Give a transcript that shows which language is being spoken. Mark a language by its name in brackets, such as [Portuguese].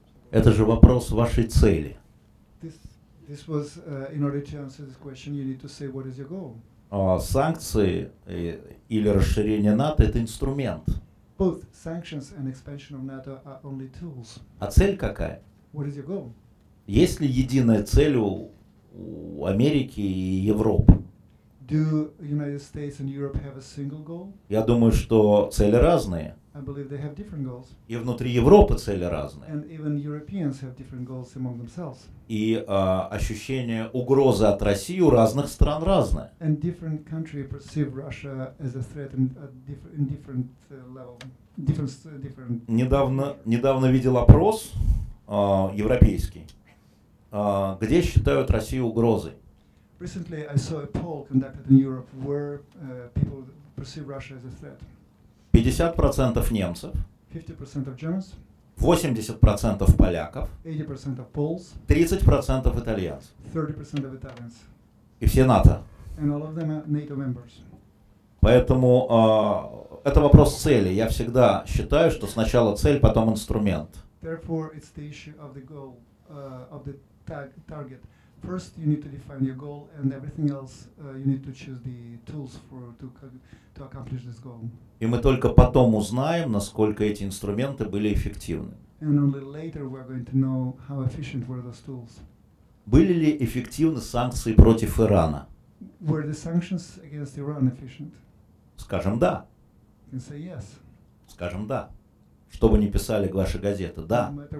[Russian] Это же вопрос вашей цели. [English] This was in order to answer this question, you need to say what is your goal. [Russian] Санкции или расширение НАТО – это инструмент. [English] Both sanctions and expansion of NATO are only tools. [Russian] А цель какая? [English] What is your goal? [Russian] Есть ли единая цель у Америки и Европы? [English] Do United States and Europe have a single goal? [Russian] Я думаю, что цели разные. [English] I believe they have different goals. [Russian] И внутри Европы цели разные. [English] And even Europeans have different goals among themselves. [Russian] И ощущение угрозы от России у разных стран разное. [English] And different countries perceive Russia as a threat in different level. Different. [Russian] Недавно видел опрос европейский, где считают Россию угрозой. [English] Recently, I saw a poll conducted in Europe where people perceive Russia as a threat. [Russian] 50% немцев. [English] 50% of Germans. [Russian] 80% поляков. [English] 80% of Poles. [Russian] 30% итальянцев. [English] 30% of Italians. [Russian] И все НАТО. [English] And all of them are NATO members. [Russian] Поэтому это вопрос цели. Я всегда считаю, что сначала цель, потом инструмент. [English] Therefore, it's the issue of the goal, of the target. First, you need to define your goal, and everything else, you need to choose the tools for to accomplish this goal. [Russian] И мы только потом узнаем, насколько эти инструменты были эффективны. [English] And only later we're going to know how efficient were those tools. [Russian] Были ли эффективны санкции против Ирана? [English] Were the sanctions against Iran efficient? [Russian] Скажем да. [English] And say yes. [Russian] Скажем да. Что бы ни писали ваши газеты, да.